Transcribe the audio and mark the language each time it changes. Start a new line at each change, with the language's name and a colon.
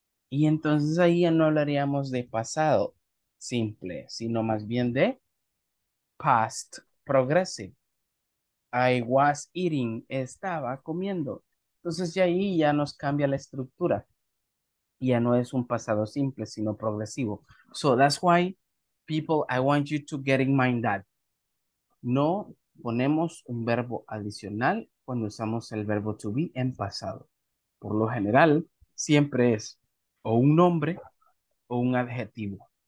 Spanish: Y entonces ahí ya no hablaríamos de pasado simple, sino más bien de past progressive.
English: I was eating,
Spanish: estaba comiendo. Entonces ya ahí ya nos cambia la estructura. Ya no es un pasado simple, sino progresivo.
English: So that's why, people, I want you to get in mind that.
Spanish: No ponemos un verbo adicional cuando usamos el verbo to be en pasado. Por lo general, siempre es o un nombre o un adjetivo.